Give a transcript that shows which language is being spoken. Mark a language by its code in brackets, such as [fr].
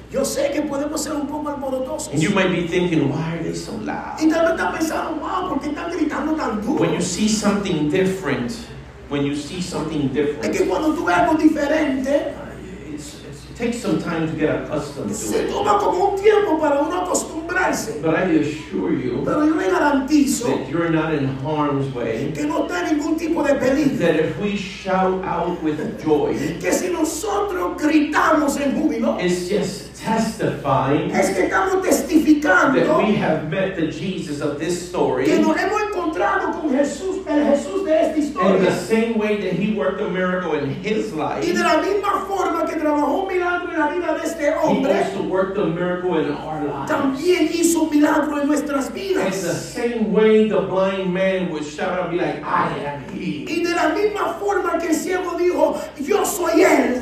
[es] Yo sé que podemos ser un poco alborotosos. [en] And you might be thinking, why are they so loud? [es] Y tal vez estás pensando, wow, ¿por qué están gritando tan duro? [en] When you see something different, when you see something different, [es] es que cuando tú ves algo diferente, [en] it takes some time to get accustomed to it. [es] Se toma como un tiempo para uno acostumbrarse. [en] But I assure you, [es] pero yo le garantizo, [en] that you're not in harm's way. [es] Que no está ningún tipo de peligro. [en] That if we shout out with joy, [es] que si nosotros gritamos en júbilo, [en] it's just testifying, [es] es que estamos testificando, [en] that we have met the Jesus of this story. [es] Que nos hemos encontrado con Jesús. [en] In the same way that he worked a miracle in his life, [es] y de la misma forma que trabajó un milagro en la vida de este hombre, [en] he also worked a miracle in our lives. [es] También hizo un milagro en nuestras vidas. [en] In the same way the blind man would shout out and be like, I am he. [es] Y de la misma forma que el ciego dijo, yo soy él.